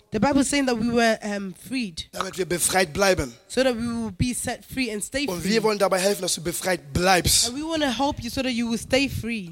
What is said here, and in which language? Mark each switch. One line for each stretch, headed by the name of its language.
English: The Bible is saying that we were freed.
German: Damit wir befreit bleiben.
English: So that we will be set free and stay free.
German: Und wir wollen dabei helfen, dass du befreit bleibst.
English: And we want to help you so that you will stay free.